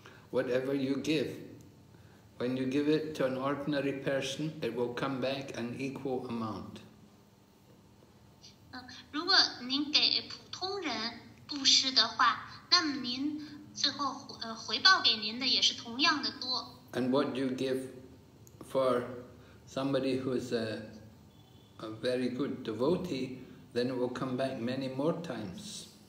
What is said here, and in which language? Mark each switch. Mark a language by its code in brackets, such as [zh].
[en] Whatever you give, when you give it to an ordinary person, it will come back an equal amount. [zh] 如果您给普通人布施的话，那么您最后回报给您的也是同样的多。 [en] And what do you give for somebody who is a very good devotee, then it will come back many more times.